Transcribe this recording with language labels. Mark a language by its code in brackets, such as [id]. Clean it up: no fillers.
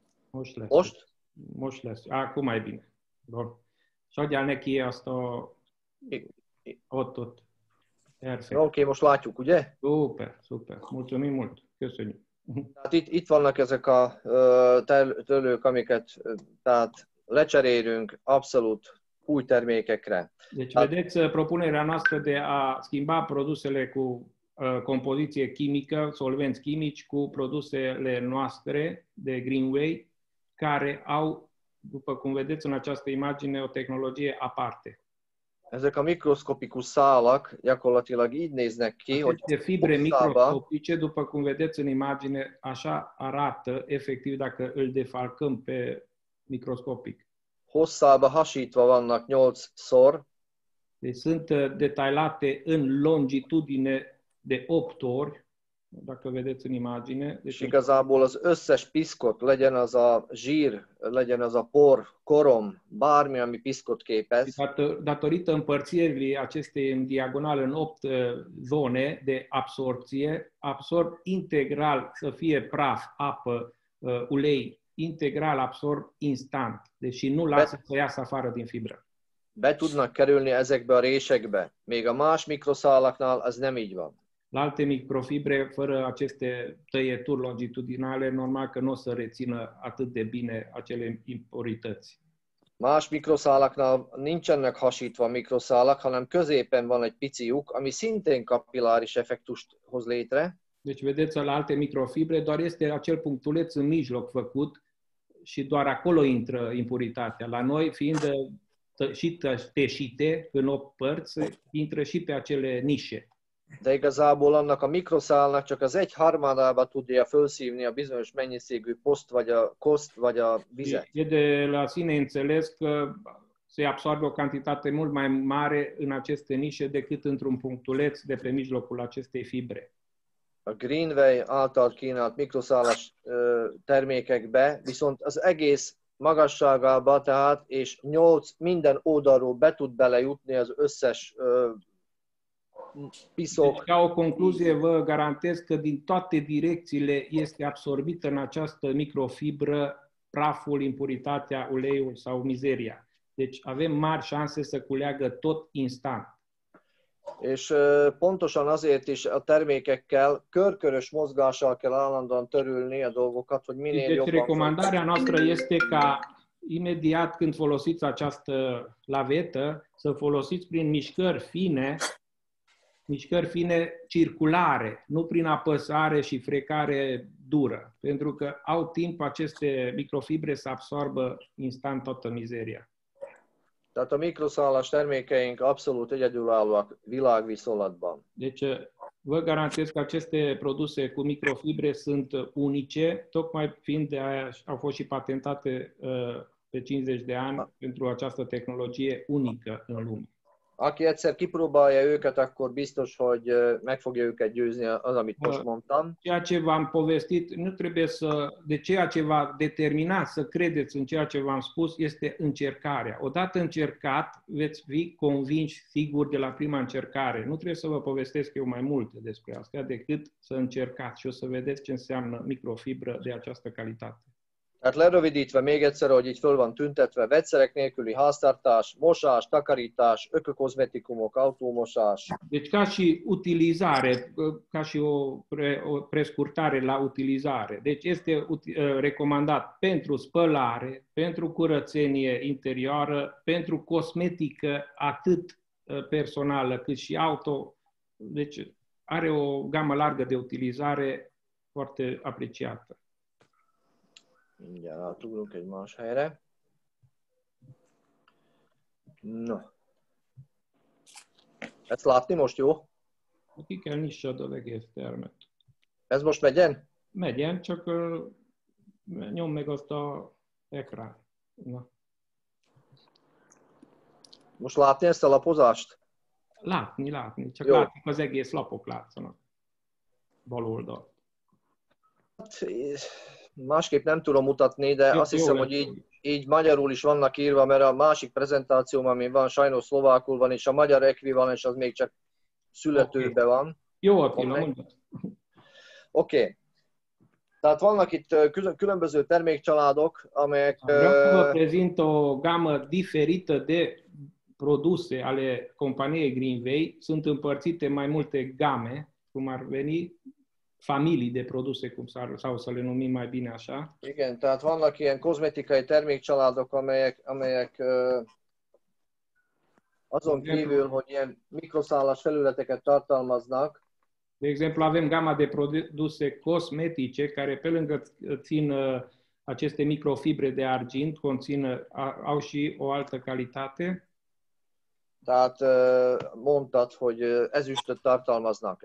[hu] Most lesz. Most? Most lesz. Akkor majd bine. És adjál neki azt a... Ott. Oké, okay, most látjuk, ugye? [ro] Super, super. Mulțumim mult. [hu] Köszönjük. Tehát itt vannak ezek a törlők, amiket tehát lecserélünk abszolút új termékekre. [ro] Deci vedeți propunerea noastră de a schimba produsele cu compoziție chimică, solvenți chimici, cu produsele noastre de Greenway, care au după cum vedeți în această imagine, o tehnologie aparte. [hu] Ezek a mikroszkopikus szálak gyakorlatilag így néznek ki, hogy [ro] a fibre mikroszkopice, după cum vedeți în imagine, așa arată efectiv dacă îl defalcăm pe microscopic. [hu] Hosszába hasítva vannak 8-szor. [ro] Deci sunt detailate în longitudine de 8 ori, dacă vedeți în imagine. [hu] Deci igazából az összes piszkot, legyen az a zsír, legyen az a por, korom, bármi, ami piszkot képez. [ro] Datorită împărțirii acestei în diagonal în 8 zone de absorție, absorb integral să fie praf, apă, ulei, integral absorb instant, deși nu lasă să iasă afară din fibră. [hu] Be tudnak kerülni ezekbe a résekbe, még a más mikroszálaknál ez nem így van. [ro] La alte microfibre, fără aceste tăieturi longitudinale, normal că nu o să rețină atât de bine acele impurități. [hu] Más mikroszálaknál nincsenek hasítva mikroszálak, hanem középen van egy pici lyuk, ami szintén kapilláris effektust hoz létre. [ro] Deci vedeți, la alte microfibre, doar este acel punctuleț în mijloc făcut și doar acolo intră impuritatea. La noi, fiind și teșite în 8 părți, intră și pe acele nișe. [hu] De igazából annak a mikroszálnak csak az egy harmadába tudja felszívni a bizonyos mennyiségű poszt, vagy a koszt, vagy a vizet. [ro] E de la sine înțeles că se absorbe o cantitate mult mai mare în aceste nișe decât într-un punctuleț de pe mijlocul acestei fibre. [hu] A Greenway által kínált mikroszálas termékekbe, viszont az egész magasságába, tehát és 8 minden oldalról be tud belejutni az összes piszok. [ro] Deci, ca o concluzie, vă garantez că din toate direcțiile este absorbită în această microfibră praful, impuritatea, uleiul sau mizeria. Deci avem mari șanse să culeagă tot instant. [hu] És pontosan azért is a termékekkel körkörös mozgással kell állandóan törülni a dolgokat, hogy minél jobban. [ro] Deci recomandarea noastră este ca imediat când folosiți această lavetă să folosiți prin mișcări fine, mișcări fine circulare, nu prin apăsare și frecare dură, pentru că au timp aceste microfibre să absorbă instant toată mizeria. [hu] Tehát a mikroszálas termékeink abszolút egyedülállóak világviszonylatban. [ro] Deci, vă garantez că aceste produse cu microfibre sunt unice, tocmai fiind de aia au fost și patentate pe 50 de ani pentru această tehnologie unică în lume. [hu] Aki egyszer kipróbálja őket, akkor biztos, hogy meg fogja őket győzni az, amit most mondtam. [ro] Ceea ce v-am povestit, nu trebuie să, de ceea ce v-a determinat să credeți în ceea ce v-am spus, este încercarea. Odată încercat, veți fi convinși sigur de la prima încercare. Nu trebuie să vă povestesc eu mai mult despre asta, decât să încercați și o să vedeți ce înseamnă microfibră de această calitate. [hu] Tehát lerövidítve még egyszer, hogy így föl van tüntetve, vegyszerek nélküli háztartás, mosás, takarítás, ökokozmetikumok, autómosás. [ro] Deci ca și utilizare, ca și o, o prescurtare la utilizare. Deci este recomandat pentru spălare, pentru curățenie interioară, pentru cosmetică atât personală cât și auto. Deci are o gamă largă de utilizare foarte apreciată. [hu] Mindjárt átugrunk egy más helyre. No. Ezt látni most jó? Ki kell nyissad az egész termet. Ez most megyen? Megyen, csak nyom meg azt a ekrán. Na. Most látni ezt a lapozást? Látni, látni. Csak jó. Látni, az egész lapok látszanak. Bal oldalt. Hát, másképp nem tudom mutatni, de azt hiszem, hogy így magyarul is vannak írva, mert a másik prezentációm, ami van, sajnos szlovákul van, és a magyar ekvivalens az még csak születőbe van. Jó, Attila, mondjad. Oké. Tehát vannak itt különböző termékcsaládok, amelyek... [ro] Prezento gamma differita de produse ale companiei Greenway, sunt împărțite mai multe game, cum ar veni, familii de produse, cum sau să le numim mai bine așa. [hu] Igen, tehát vannak ilyen kozmetikai termékcsaládok, amelyek azon kívül, hogy ilyen mikroszálas felületeket tartalmaznak. [ro] De exemplu, avem gama de produse cosmetice, care pe lângă țin aceste microfibre de argint conțin, au și o altă calitate. [hu] Tehát mondtad, hogy ezüstöt tartalmaznak.